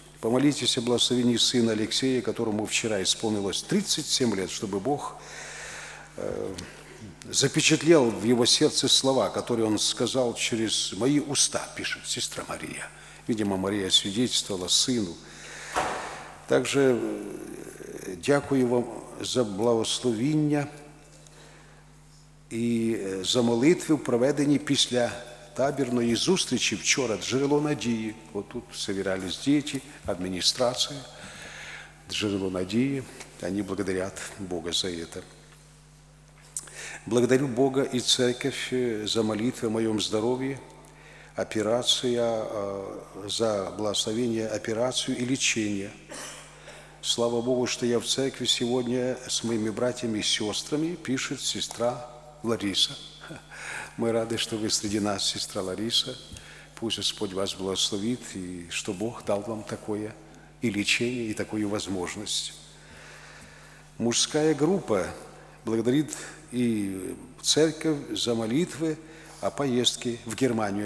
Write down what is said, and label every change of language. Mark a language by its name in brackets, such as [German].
[Russian] Помолитесь о благословении сына Алексея, которому вчера исполнилось 37 лет, чтобы Бог запечатлел в его сердце слова, которые он сказал через мои уста, пишет сестра Мария. Видимо, Мария свидетельствовала сыну. Также дякую вам за благословение и за молитву, проведенную после [Ukrainian] табірної зустрічі вчора, джерело надії. От тут собирались діти, адміністрація, джерело надії. Вони благодарять Бога за це. Благодарю Бога і церковь за молитви о моєму здоров'ї, операція, за благословення, операцію і лечення. Слава Богу, що я в церкві сьогодні з моїми братями і сестрами, пише сестра Лариса. [Russian] Мы рады, что вы среди нас, сестра Лариса. Пусть Господь вас благословит, и что Бог дал вам такое и лечение, и такую возможность. Мужская группа благодарит и церковь за молитвы о поездке в Германию.